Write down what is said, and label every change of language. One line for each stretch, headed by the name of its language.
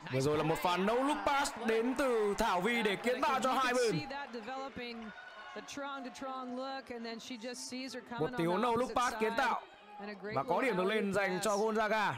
Vietnamese: Vừa rồi là một pha no look pass đến từ Thảo Vy để kiến tạo cho hai bên.
English: See that developing the Trong to Trong look, and then she just sees her coming.
Vietnamese: Một tiếng no look pass kiến tạo và có điểm được lên dành cho Gonzaga.